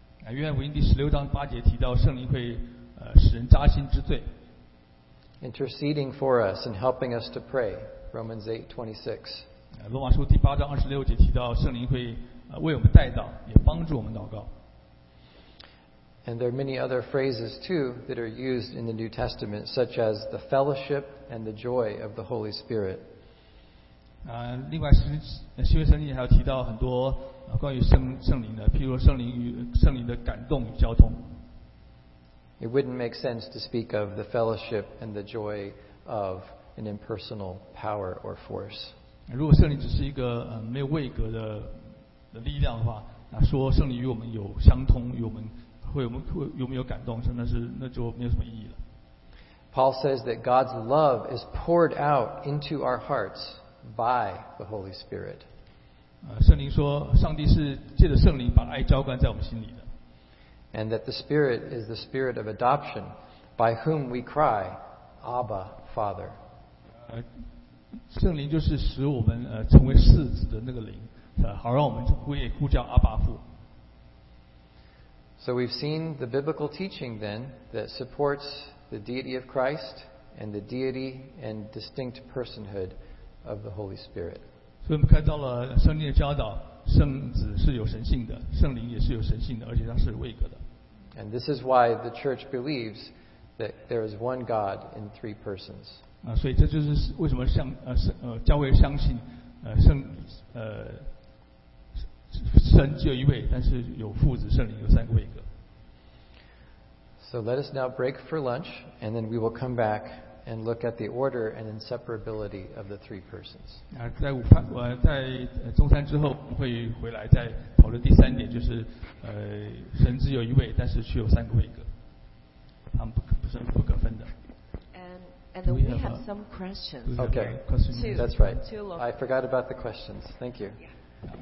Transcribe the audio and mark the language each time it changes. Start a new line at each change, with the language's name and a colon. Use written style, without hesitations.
Chinese: 约翰福音16:8提到圣灵会使人扎心之罪。
English: Interceding for us and helping us to pray, Romans 8:26.
Chinese: 罗马书8:26提到圣灵会为我们代祷，也帮助我们祷告。
English: And there are many other phrases too that are used in the New Testament, such as the fellowship and the joy of the Holy Spirit.
Chinese: 另外新约圣经还有提到很多关于圣灵的，譬如圣灵的感动与交通。
English: It wouldn't make sense to speak of the fellowship and the joy of an impersonal power or force.
Chinese: 如果圣灵只是一个没有位格的力量的话，说圣灵与我们有相通，与我们会有没有感动，那是那就没有什么意义了。
English: Paul says that God's love is poured out into our hearts by the Holy Spirit.
Chinese: 圣灵说，上帝是借着圣灵把爱浇灌在我们心里的。
English: And that the Spirit is the Spirit of adoption, by whom we cry, Abba, Father.
Chinese: 圣灵就是使我们成为世子的那个灵，好让我们呼叫阿爸父。
English: So we've seen the biblical teaching then that supports the deity of Christ and the deity and distinct personhood of the Holy Spirit.
Chinese: 所以我们看到了圣经的教导，圣子是有神性的，圣灵也是有神性的，而且它是位格的。
English: And this is why the church believes that there is one God in three persons.
Chinese: 所以这就是为什么教会相信神只有一位，但是有父子圣灵，有三个位格。
English: So let us now break for lunch, and then we will come back and look at the order and inseparability of the three persons.
Chinese: 在中餐之后会回来再讨论第三点，就是神只有一位，但是却有三个位格，他们不可分的。
English: And then we have some questions. Okay, questions. That's right. I forgot about the questions. Thank you. Yeah.